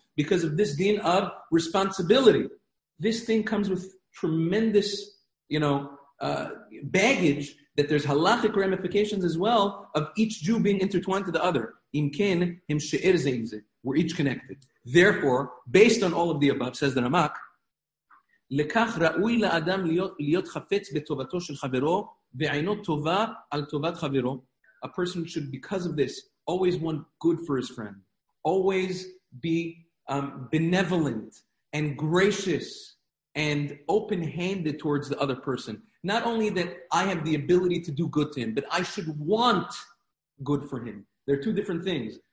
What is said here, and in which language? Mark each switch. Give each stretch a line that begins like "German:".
English: Because of this deen of responsibility. This thing comes with tremendous, you know, baggage, that there's halachic ramifications as well of each Jew being intertwined to the other. Imken, him she'er zeim ze. We're each connected. Therefore, based on all of the above, says the Ramak,
Hebrew: לכך ראוי לאדם להיות חפץ בטובתו של חברו ועינו טובה על טובת חברו.
English: A person should, because of this, always want good for his friend. Always be benevolent and gracious and open-handed towards the other person. Not only that I have the ability to do good to him, but I should want good for him. There are two different things.